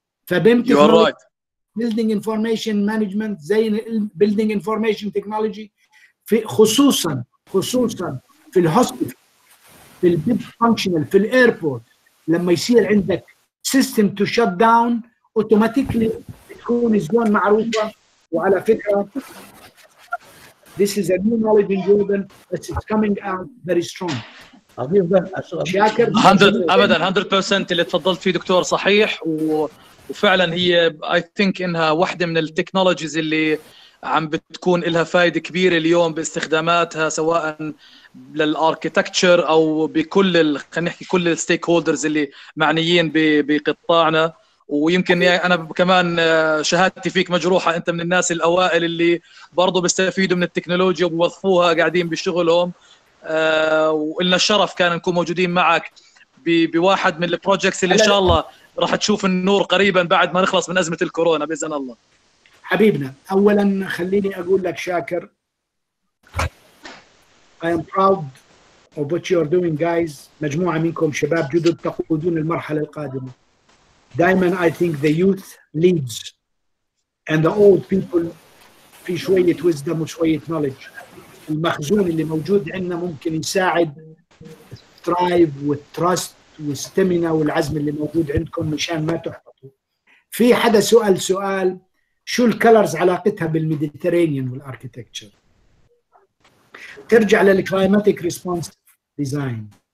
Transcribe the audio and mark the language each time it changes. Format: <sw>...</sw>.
<ar>فبيم تكنولوجي</ar> <en>building information management</en> <ar>زي</ar> <en>building information technology</en> <ar>في خصوصا في الهوسبيتال، في البيب فانكشنال، في الايربورت. لما يصير عندك سيستم تو شت داون اوتوماتيكلي تكون زون معروفه. وعلى فكره</ar> <en>this is a new knowledge in Jordan but it's coming out very strong.</en> <ar>شاكر 100% اللي تفضلت فيه دكتور صحيح، وفعلا هي</ar> <en>I think</en> <ar>انها واحده من التكنولوجيز اللي عم بتكون لها فائدة كبيرة اليوم باستخداماتها سواء للاركيتكتشر أو بكل خلينا نحكي كل الستيك هولدرز اللي معنيين بقطاعنا. ويمكن أنا كمان شهادتي فيك مجروحة، أنت من الناس الأوائل اللي برضو بيستفيدوا من التكنولوجيا وبوظفوها قاعدين بشغلهم، وإلنا الشرف كان نكون موجودين معك بواحد من البروجيكتس اللي إن شاء الله راح تشوف النور قريبا بعد ما نخلص من أزمة الكورونا بإذن الله. حبيبنا، اولا خليني اقول لك شاكر</ar> <en>I am proud of what you are doing guys.</en> <ar>مجموعه منكم شباب جدد تقودون المرحله القادمه. دائما</ar> <en>I think the youth leads and the old people</en> <ar>في شويه</ar> <en>wisdom</en> <ar>وشويه</ar> <en>knowledge.</en> <ar>المخزون اللي موجود عندنا ممكن يساعد</ar> <en>strive with trust</en> <ar>والstamina والعزم اللي موجود عندكم مشان ما تحبطوا. في حدا سؤال شو الكلرز علاقتها بالميديترينيان والاركيتكتشر؟ ترجع للكلايماتيك ريسبونسيف ديزاين.</ar>